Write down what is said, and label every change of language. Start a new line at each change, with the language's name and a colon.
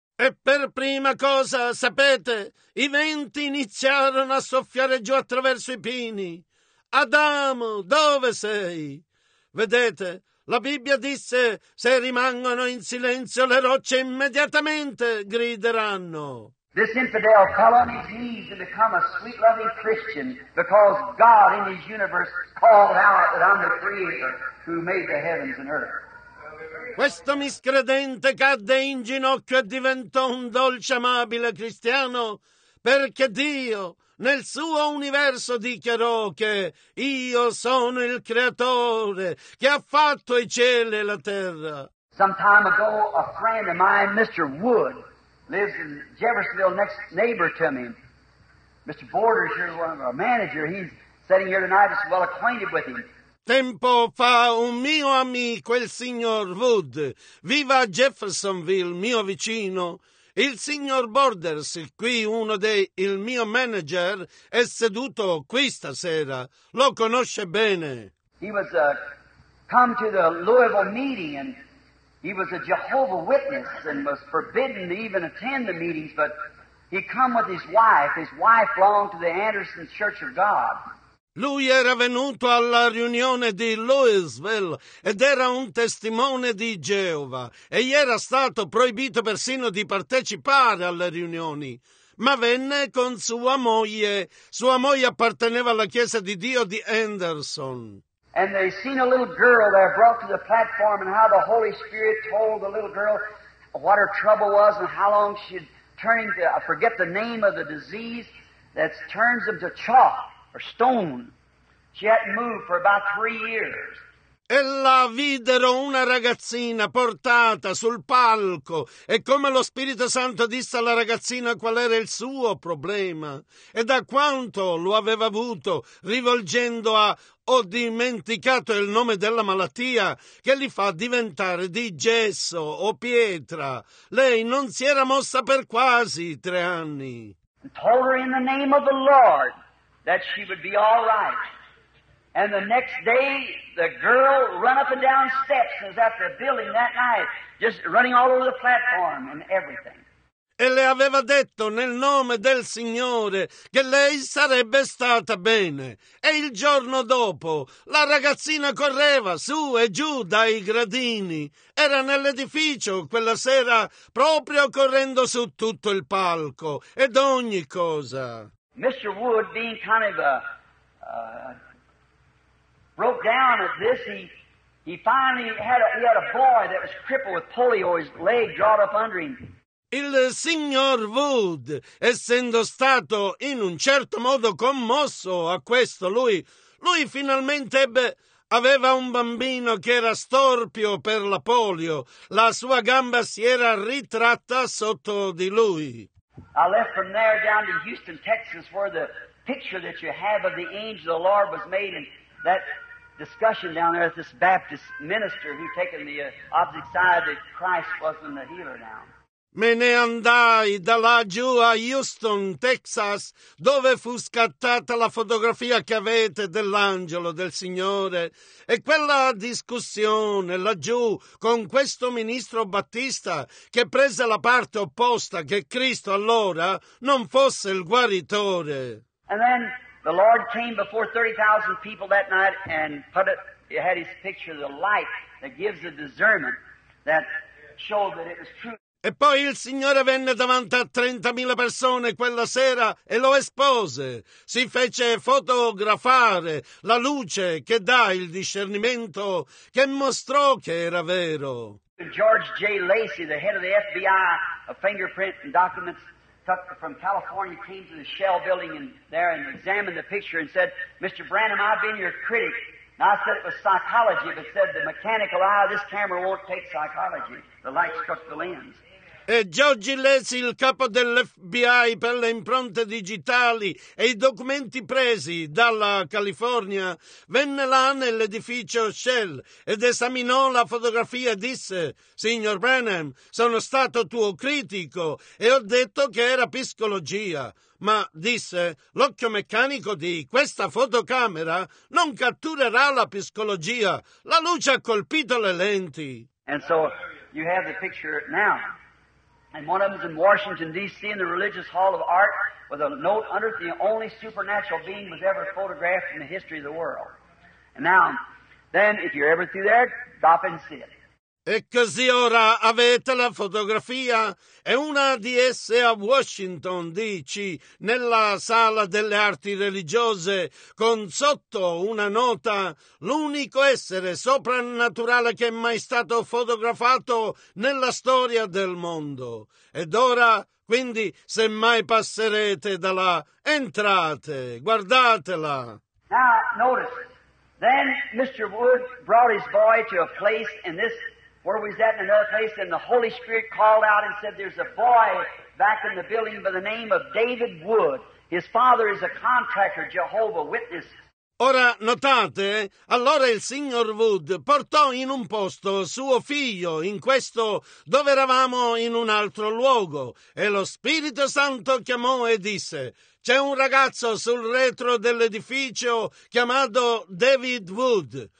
Italian: E per prima cosa, sapete, i venti iniziarono a soffiare giù attraverso i pini. Adamo, dove sei? Vedete, la Bibbia disse, se rimangono in silenzio le rocce immediatamente grideranno.
English: This infidel colony needs to become a sweet loving Christian because God in his universe called out that I'm the creator who made the heavens and earth.
Italian: Questo miscredente cadde in ginocchio e diventò un dolce amabile cristiano perché Dio nel suo universo dichiarò che io sono il creatore che ha fatto i cieli e la terra.
English: Some time ago a friend of mine, Mr. Wood, lives in Jeffersonville, next neighbor to me. Mr. Borders, you're one of our manager. He's sitting here tonight, just well acquainted with him.
Italian: Tempo fa un mio amico, il signor Wood, vive a Jeffersonville, mio vicino. Il signor Borders, qui uno dei il mio manager, è seduto qui stasera. Lo conosce bene.
English: He was come to the Louisville meeting and he was a Jehovah Witness and was forbidden to even attend the meetings, but he come with his wife. His wife belonged to the Anderson Church of God.
Italian: Lui era venuto alla riunione di Louisville ed era un testimone di Geova e gli era stato proibito persino di partecipare alle riunioni. Ma venne con sua moglie. Sua moglie apparteneva alla Chiesa di Dio di Anderson.
English: And they seen a little girl there brought to the platform and how the Holy Spirit told the little girl what her trouble was and how long she'd turn to, I forget the name of the disease that turns them to chalk. Or stone. She hadn't moved for about 3 years.
Italian: E la videro una ragazzina portata sul palco e come lo Spirito Santo disse alla ragazzina qual era il suo problema e da quanto lo aveva avuto rivolgendo a ho dimenticato il nome della malattia che li fa diventare di gesso o pietra. Lei non si era mossa per quasi 3 anni.
English: Told her in the name of the Lord that she would be all right. And the next day, the girl ran up and down steps and was at the building that night, just running all over the platform and everything.
Italian: E le aveva detto nel nome del Signore che lei sarebbe stata bene. E il giorno dopo, la ragazzina correva su e giù dai gradini. Era nell'edificio quella sera, proprio correndo su tutto il palco ed ogni cosa.
English: Mr. Wood, being kind of broke down at this, he finally had a boy that was crippled with polio, his leg drawn up under him.
Italian: Il signor Wood, essendo stato in un certo modo commosso a questo, lui finalmente aveva un bambino che era storpio per la polio. La sua gamba si era ritratta sotto di lui.
English: I left from there down to Houston, Texas, where the picture that you have of the angel of the Lord was made in that discussion down there with this Baptist minister who taken the object side that Christ wasn't the healer now.
Italian: Me ne andai da laggiù a Houston, Texas, dove fu scattata la fotografia che avete dell'angelo del Signore. E quella discussione laggiù con questo ministro Battista che prese la parte opposta che Cristo allora non fosse il guaritore.
English: And then the Lord came before 30,000 people that night and put it, he had his picture, the light that gives the discernment that showed that it was true.
Italian: E poi il Signore venne davanti a 30,000 persone quella sera e lo espose. Si fece fotografare la luce che dà il discernimento che mostrò che era vero.
English: George J. Lacey, the head of the FBI, a fingerprint and documents took from California, came to the Shell building in there and examined the picture and said, Mr. Branham, I've been your critic. And I said it was psychology, but said the mechanical eye of this camera won't take psychology. The light struck the lens.
Italian: E George Lacey, il capo dell'FBI per le impronte digitali e i documenti presi dalla California, venne là nell'edificio Shell ed esaminò la fotografia e disse, signor Branham, sono stato tuo critico e ho detto che era psicologia, ma disse, l'occhio meccanico di questa fotocamera non catturerà la psicologia, la luce ha colpito le lenti.
English: And so you have the picture now. And one of them is in Washington, D.C., in the Religious Hall of Art, with a note underneath, the only supernatural being was ever photographed in the history of the world. And now, then, if you're ever through there, stop and see it.
Italian: E così ora avete la fotografia, e una di esse a Washington, D.C., nella sala delle arti religiose, con sotto una nota: l'unico essere soprannaturale che è mai stato fotografato nella storia del mondo. Ed ora, quindi, se mai passerete da là, entrate, guardatela.
English: Now, notice, then Mr. Wood brought his boy to a place in this... Where was that? In another place. And the Holy Spirit called out and said, there's a boy back in the building by the name of David Wood. His father is a contractor, Jehovah Witness.
Italian: Ora notate, allora il signor Wood portò in un posto suo figlio, in questo dove eravamo in un altro luogo, e lo Spirito Santo chiamò e disse, c'è un ragazzo sul retro dell'edificio chiamato David Wood.